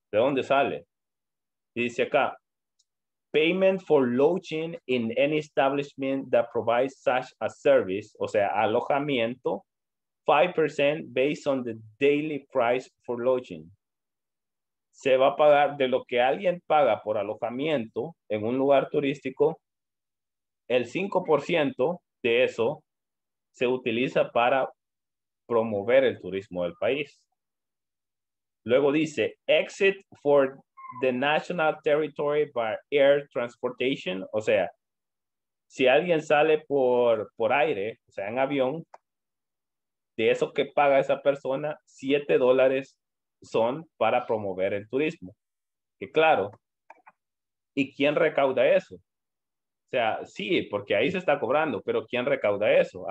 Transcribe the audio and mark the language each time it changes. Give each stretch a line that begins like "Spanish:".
Spanish: ¿De dónde sale? Y dice acá,
English: payment for lodging in any establishment that provides such a service,
Spanish: o sea, alojamiento,
English: 5% based on the daily price for lodging.
Spanish: Se va a pagar de lo que alguien paga por alojamiento en un lugar turístico, el 5% de eso se utiliza para promover el turismo del país. Luego dice,
English: exit for the national territory by air transportation.
Spanish: O sea, si alguien sale por aire, o sea, en avión, de eso que paga esa persona, $7 son para promover el turismo. Que claro, ¿y quién recauda eso? O sea, sí, porque ahí se está cobrando, pero ¿quién recauda eso?